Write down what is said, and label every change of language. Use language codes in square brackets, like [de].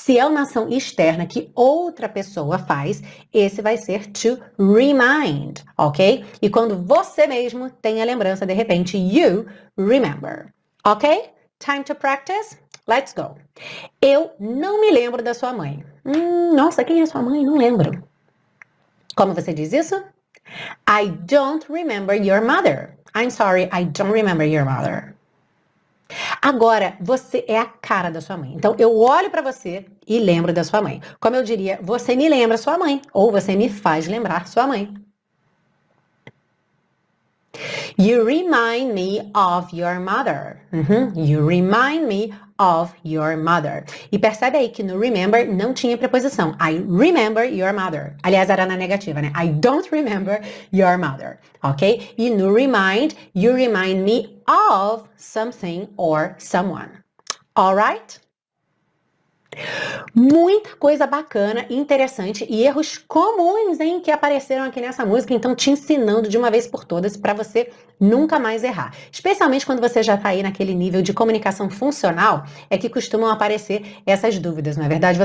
[pt] Se é uma ação externa que outra pessoa faz, esse vai ser to remind, ok? E quando você mesmo tem a lembrança, de repente, [en] you remember, [pt] ok? [en] Time to practice? Let's go. [pt] Eu não me lembro da sua mãe. Nossa, quem é sua mãe? Não lembro. Como você diz isso? [en] I don't remember your mother. I'm sorry, I don't remember your mother. [pt] Agora, você é a cara da sua mãe. Então, eu olho para você e lembro da sua mãe. Como eu diria, você me lembra sua mãe. Ou você me faz lembrar sua mãe. [en] You remind me of your mother. You remind me of your mother. [pt] E percebe aí que no remember não tinha preposição. [en] I remember your mother. [pt] Aliás, era na negativa, né? [en] I don't remember your mother. Ok? E no remind, you remind me of something or someone. Alright? [pt] Muita coisa bacana, interessante e erros comuns, hein, que apareceram aqui nessa música. Então, te ensinando de uma vez por todas para você nunca mais errar. Especialmente quando você já está aí naquele nível de comunicação funcional, é que costumam aparecer essas dúvidas, não é verdade?